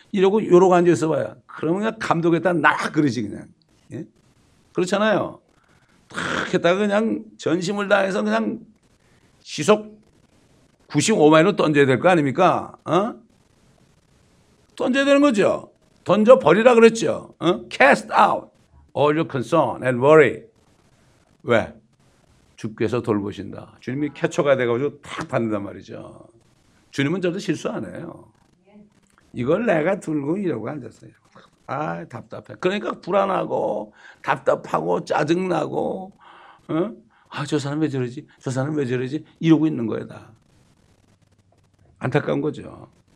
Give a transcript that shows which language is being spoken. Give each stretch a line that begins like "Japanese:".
Korean: 이러고 이러고 앉아있어 봐요. 그러면 그냥 감독에 딱 나락 그러지 그냥. 예? 그렇잖아요. 탁 했다가 그냥 전심을 다해서 그냥 시속 95마일로 던져야 될 거 아닙니까. 던져야 되는 거죠. 던져버리라 그랬죠.
English: Cast out all your concern and worry.
Korean: 왜? 주께서 돌보신다. 주님이 캐처가 돼가지고 탁 받는단 말이죠. 주님은 저도 실수 안 해요. 이걸 내가 들고 이러고 앉았어요. 아 답답해. 그러니까 불안하고 답답하고 짜증나고 아 저 사람 왜 저러지? 저 사람 왜 저러지? 이러고 있는 거예요 다. 안타까운 거죠.